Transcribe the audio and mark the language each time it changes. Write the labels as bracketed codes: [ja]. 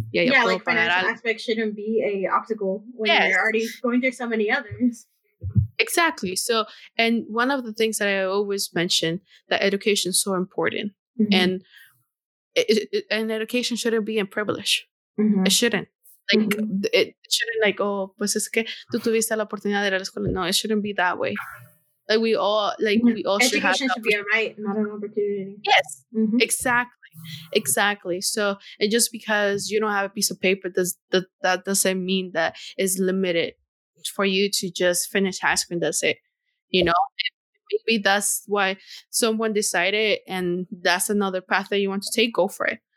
[en] Yeah, yeah, like financial aspect shouldn't be a obstacle when you're already going through so many others. Exactly. So, and one of the things that I always mention, that education is so important, and an education shouldn't be a privilege. Mm-hmm. It shouldn't. Like, it shouldn't, like, oh, [es] pues es que tú tuviste la oportunidad de ir a la escuela. [en] No, it shouldn't be that way. Like, we all, like, we all should have. Education should be a right, not an opportunity. Yes, exactly. Exactly. So, and just because you don't have a piece of paper, that doesn't mean that it's limited for you to just finish high school and that's it. You know, maybe that's why someone decided and that's another path that you want to take, go for it.